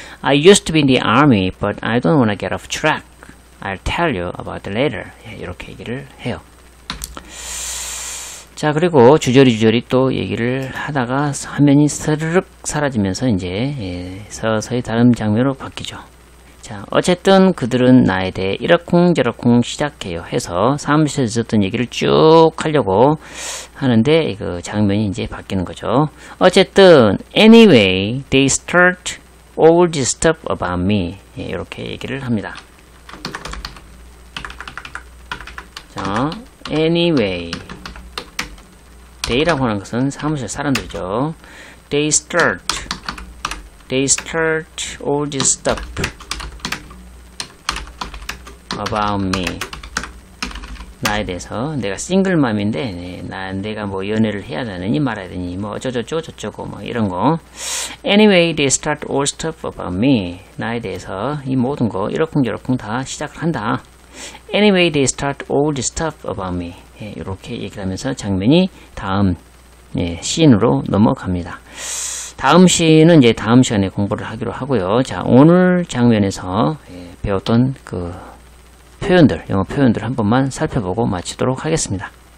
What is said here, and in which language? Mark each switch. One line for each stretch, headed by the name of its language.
English: I used to be in the army, but I don't wanna get off track. I'll tell you about later.
Korean: 예, 이렇게 얘기를 해요. 자, 그리고 주저리주저리 또 얘기를 하다가 화면이 스르륵 사라지면서 이제 예, 서서히 다음 장면으로 바뀌죠. 자, 어쨌든 그들은 나에 대해 이러쿵저러쿵 시작해요. 해서 사무실에서 있었던 얘기를 쭉 하려고 하는데 그 장면이 이제 바뀌는 거죠. 어쨌든
English: anyway they start all this stuff about me.
Korean: 예, 이렇게 얘기를 합니다. 자,
English: anyway they
Korean: 라고 하는 것은 사무실 사람들이죠.
English: They start all this stuff about me.
Korean: 나에 대해서. 내가 싱글맘인데 네, 내가 뭐 연애를 해야 되느니 말아야 되니 뭐 어쩌저쩌 저쩌고 뭐 이런 거.
English: Anyway, they start all stuff about me.
Korean: 나에 대해서 이 모든 거 이러쿵저러쿵 다 시작을 한다.
English: Anyway, they start all the stuff about me.
Korean: 예, 이렇게 얘기를 하면서 장면이 다음 예, 씬으로 넘어갑니다. 다음 씬은 이제 다음 시간에 공부를 하기로 하고요. 자, 오늘 장면에서 예, 배웠던 그 표현들, 영어 표현들 한 번만 살펴보고 마치도록 하겠습니다.